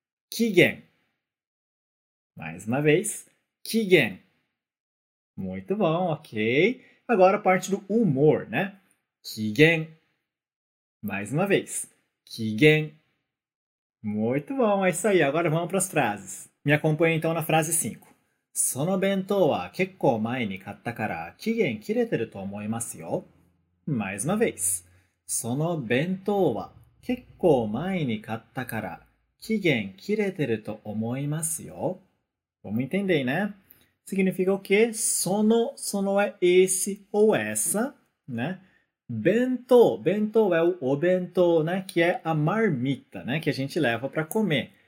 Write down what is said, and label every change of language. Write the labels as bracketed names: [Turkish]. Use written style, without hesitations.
[Portuguese] Kigen. Mais uma vez, Kigen. Muito bom, ok? Agora a parte do humor, né? Kigen. Mais uma vez, Kigen. Muito bom, é isso aí. Agora vamos para as frases. Me acompanha então na frase 5. [Japanese] その弁当は結構前に買ったから期限切れてると思いますよ。 [Portuguese] Mais uma vez. [Japanese] その弁当は結構前に買ったから期限切れてると思いますよ。 [Portuguese] Vamos entender, né? Significa o quê? [Japanese] その [Portuguese] é esse ou essa, né? Bento, bento é o bento, né, que é a marmita, né, que a gente leva para comer.